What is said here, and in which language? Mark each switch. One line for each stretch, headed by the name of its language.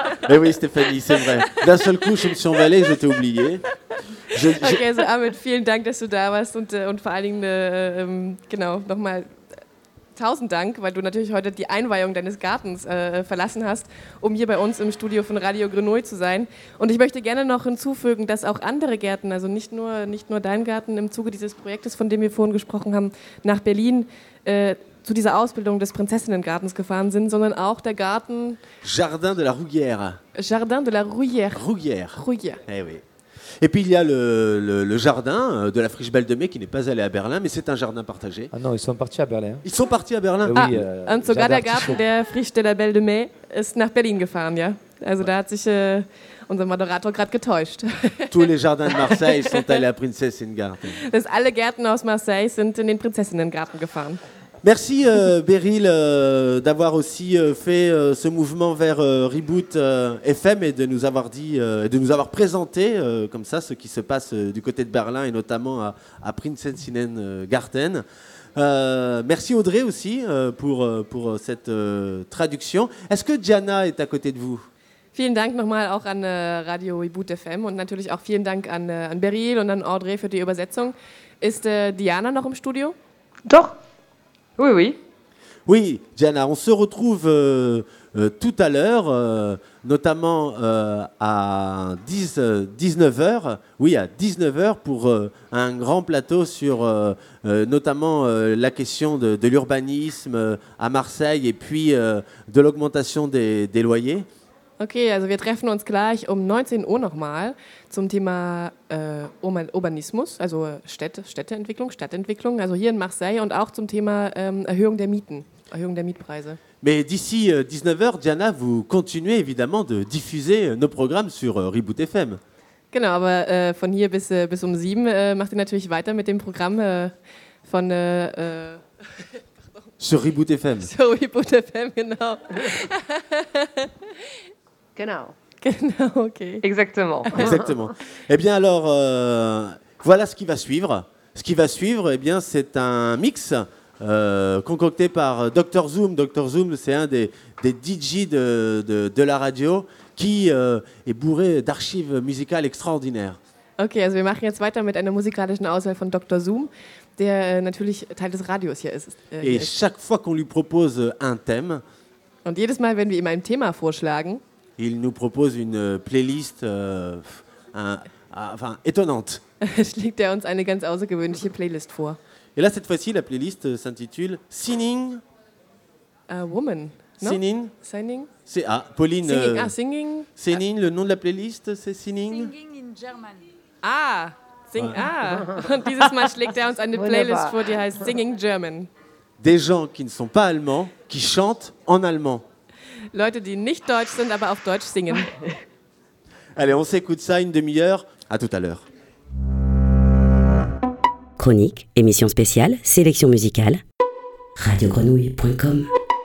French: Oui, Stéphanie, c'est vrai. D'un seul coup, je me suis emballé, j'étais oublié.
German: Okay, also Ahmed, vielen Dank, dass du da warst und vor allen Dingen nochmal tausend Dank, weil du natürlich heute die Einweihung deines Gartens verlassen hast, um hier bei uns im Studio von Radio Grenouille zu sein. Und ich möchte gerne noch hinzufügen, dass auch andere Gärten, also nicht nur dein Garten im Zuge dieses Projektes, von dem wir vorhin gesprochen haben, nach Berlin zu dieser Ausbildung des Prinzessinnengartens gefahren sind, sondern auch der Garten...
French: Jardin de la Rouguière. Jardin de la Rouguière. Rouguière. Eh oui. Et puis il y a le jardin de la Friche Belle de Mai qui n'est pas allé à Berlin, mais c'est un jardin partagé. Ah non, ils sont partis à Berlin. Ils sont partis à Berlin.
German: Ah, oui, und sogar der Garten der Friche de la Belle de Mai ist nach Berlin gefahren, ja. Also ouais. Da hat sich unser Moderator gerade getäuscht.
French: Tous les jardins de Marseille sont allés à Prinzessinnengarten.
German: Dass alle Gärten aus Marseille sind in den Prinzessinnengarten gefahren.
French: Merci Beryl d'avoir aussi fait ce mouvement vers Reboot FM et de nous avoir dit de nous avoir présenté comme ça ce qui se passe du côté de Berlin et notamment à Prinzessinnengarten. Merci Audrey aussi pour cette traduction. Est-ce que Diana est à côté de vous?
German: Vielen Dank nochmal auch an Radio Reboot FM und natürlich auch vielen Dank an Beryl und an Audrey für die Übersetzung. Ist Diana noch im Studio?
French: Doch. Oui, oui. Oui, Diana, on se retrouve tout à l'heure, notamment à 19h. Oui, à 19h pour un grand plateau sur notamment la question de l'urbanisme à Marseille et puis de l'augmentation des loyers.
German: Okay, also wir treffen uns gleich um 19 Uhr nochmal zum Thema Urbanismus, also Städteentwicklung, Stadtentwicklung, also hier in Marseille und auch zum Thema Erhöhung der Mieten, Erhöhung der Mietpreise.
French: Mais d'ici 19h, Diana, vous continuez évidemment de diffuser nos programmes sur Reboot FM.
German: Genau, aber von hier bis um 7 macht ihr natürlich weiter mit dem Programm von...
French: sur Reboot FM. Sur Reboot FM, genau.
German: Genau, ok.
French: Exactement. Eh bien alors, voilà ce qui va suivre. Ce qui va suivre, eh bien, c'est un mix concocté par Dr Zoom. Dr Zoom, c'est un des DJ de la radio qui est bourré d'archives musicales extraordinaires.
German: Ok, also wir machen jetzt weiter mit einer musikalischen Auswahl von Dr Zoom, der natürlich Teil des Radios hier ist.
French: Et chaque fois qu'on lui propose un thème...
German: Und jedes Mal, wenn wir ihm ein Thema vorschlagen...
French: il nous propose une playlist enfin, étonnante.
German: Schlägt er uns eine ganz außergewöhnliche Playlist vor.
French: Et là, cette fois-ci, la playlist s'intitule Sinning.
English: A woman. No? Sinning. Sinning.
French: C'est, ah, Pauline.
English: Singing. Singing.
French: Sinning, le nom de la playlist, c'est Sinning.
English: Singing in German. Ah! Sing, ah.
German: Und dieses Mal schlägt er uns eine Playlist vor, die heißt Singing German.
French: Des gens qui ne sont pas allemands, qui chantent en allemand.
German: Leute, die nicht deutsch sind, aber auf Deutsch singen.
French: Allez, on s'écoute ça une demi-heure. À tout à l'heure. Chronique, émission spéciale, sélection musicale. Radiogrenouille.com.